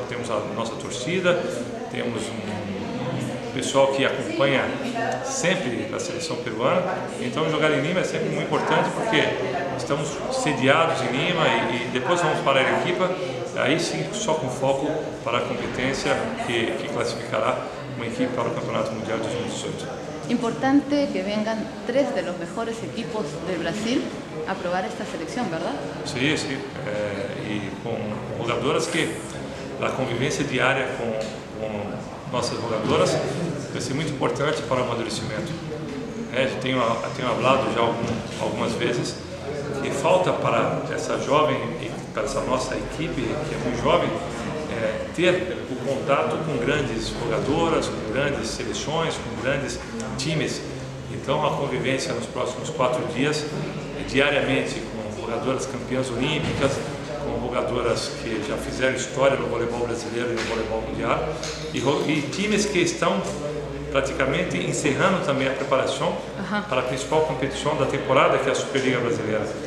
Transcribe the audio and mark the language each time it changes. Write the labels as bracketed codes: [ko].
[pt] Temos a nossa torcida, temos um pessoal que acompanha sempre a seleção peruana. Então jogar em Lima é sempre muito importante, porque estamos sediados em Lima e depois vamos para a Arequipa, aí sim só com foco para a competência que classificará uma equipe para o Campeonato Mundial de 2018. [es] Importante que vengan 3 de los mejores equipos del Brasil a probar esta selección, ¿verdad? Sí, sí. Y con jugadoras que la convivencia diaria con nuestras jugadoras va a ser muy importante para el amadurecimiento. Tengo hablado ya algunas veces que falta para esa joven y para esa nuestra equipe, que es muy joven, [pt] ter o contato com grandes jogadoras, com grandes seleções, com grandes times. Então a convivência nos próximos 4 dias, diariamente, com jogadoras campeãs olímpicas, com jogadoras que já fizeram história no voleibol brasileiro e no voleibol mundial, e times que estão praticamente encerrando também a preparação para a principal competição da temporada, que é a Superliga Brasileira.